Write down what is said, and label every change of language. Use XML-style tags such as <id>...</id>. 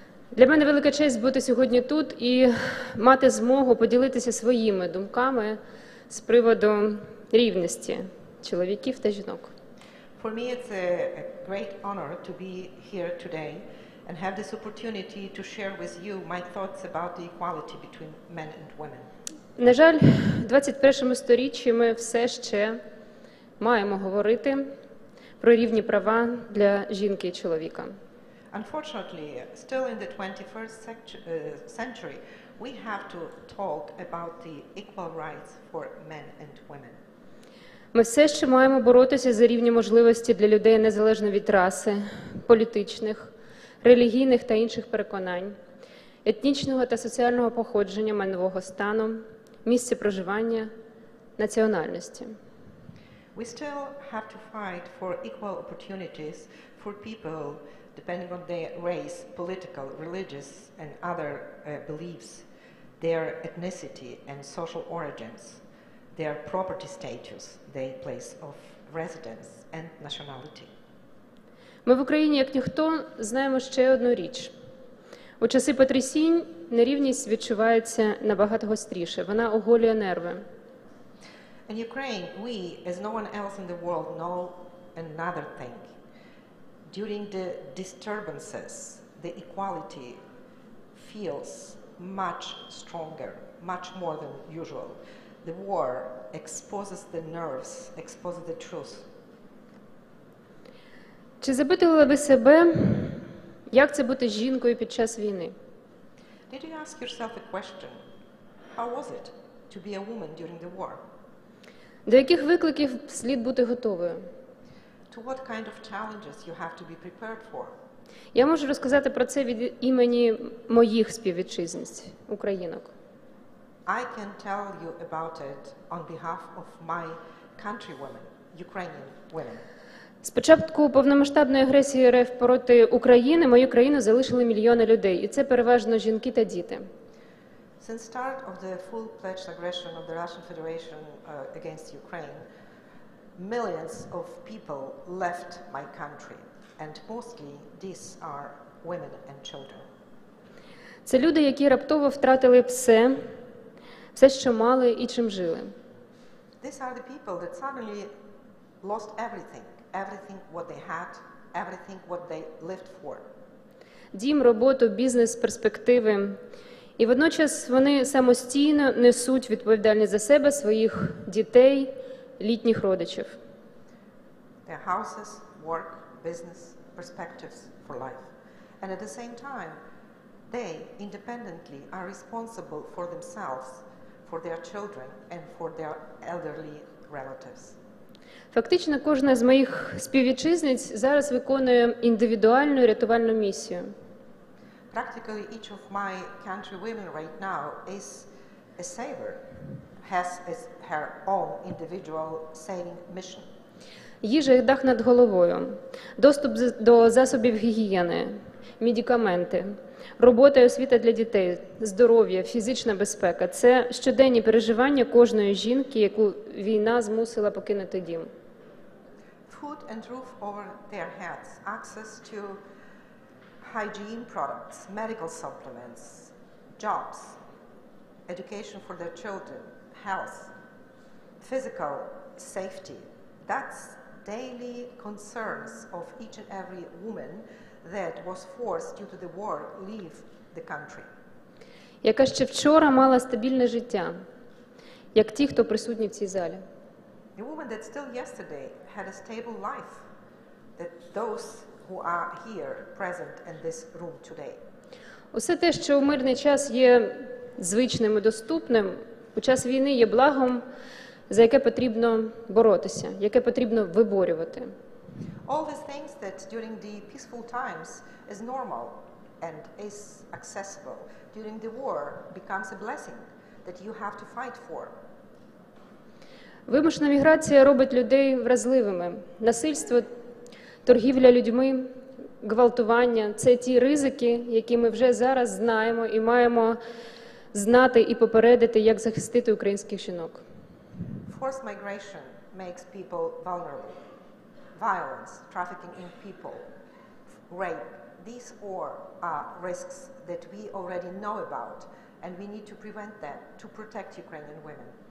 <uk>Для мене велика честь бути сьогодні тут і мати змогу поділитися своїми думками з приводу рівності чоловіків та жінок.</uk> <en>For me it's a great honor to be here today and have this opportunity to share with you my thoughts about the equality between men and women.</en> <uk>На жаль, в 21-му сторіччі ми все ще маємо говорити про рівні права для жінки і чоловіка.</uk> <en>Unfortunately, still in the 21st century, we have to talk about the equal rights for men and women.</en> <uk>Ми все ще маємо боротися за рівні можливості для людей незалежно від раси, політичних, релігійних та інших переконань, етнічного та соціального походження, майнового стану, місця проживання, національності.</uk> <en>We still have to fight for equal opportunities for people depending on their race, political, religious and other beliefs, their ethnicity and social origins, their property status, their place of residence and nationality.</en> <uk>Ми в Україні, як ніхто, знаємо ще одну річ. У часи потрясінь нерівність відчувається набагато гостріше, вона оголює нерви.</uk> <en>In Ukraine, we, as no one else in the world, know another thing. During the disturbances, the equality feels much stronger, much more than usual. The war exposes the nerves, exposes the truth.</en> <uk>Чи запитували ви себе, як це бути жінкою під час війни?</uk> <en>Did you ask yourself a question? How was it to be a woman during the war?</en> <uk>До яких викликів слід бути готовою?</uk> <en>To what kind of challenges you have to be prepared for?</en> <uk>Я можу розказати про це від імені моїх співвітчизниць, українок.</uk> <en>I can tell you about it on behalf of my country women, Ukrainian women.</en> <uk>Спочатку повномасштабної агресії РФ проти України мою країну залишили мільйони людей, і це переважно жінки та діти.</uk> <en>Since the start of the full-fledged aggression of the Russian Federation against Ukraine, millions of people left my country, and mostly these are women and children.</en> <uk>Це люди, які раптово втратили все, все, що мали і чим жили.</uk> <en>These are the people that suddenly lost everything, everything what they had, everything what they lived for.</en> <uk>Дім, роботу, бізнес, перспективи. І водночас вони самостійно несуть відповідальність за себе, своїх дітей, літніх родичів.</uk> <en>Their houses, work, business, perspectives for life. And at the same time, they independently are responsible for themselves, for their children and for their elderly relatives.</en> <uk>Фактично кожна з моїх співвітчизниць зараз виконує індивідуальну рятувальну місію.</uk> <en>Practically each of my country women right now is a saver, has her own individual saving mission.</en> <uk>Їжа, дах над головою, доступ до засобів гігієни, медикаменти, робота і освіта для дітей, здоров'я, фізична безпека – це щоденні переживання кожної жінки, яку війна змусила покинути дім.</uk> <en>Food and roof over their heads, access to hygiene products, medical supplements, jobs, education for their children, health, physical safety. That's daily concerns of each and every woman that was forced due to the war leave the country.</en> <uk>Яка ще вчора мала стабільне життя, як ті, хто присутні в цій залі.</uk> <en>The woman that still yesterday had a stable life, that those who are here present in this room today.</en> <uk>Усе те, що у мирний час є звичним і доступним, у час війни є благом, за яке потрібно боротися, яке потрібно виборювати.</uk> <en>All these things that during the peaceful times is normal and is accessible, during the war becomes a blessing that you have to fight for.</en> <uk>Вимушена міграція робить людей вразливими. Насильство, торгівля людьми, гвалтування – це ті ризики, які ми вже зараз знаємо і маємо знати і попередити, як захистити українських жінок.</uk> <en>Forced migration makes people vulnerable. Violence, trafficking in people, rape – these all are risks that we already know about, and we need to prevent them, to protect Ukrainian women.</en>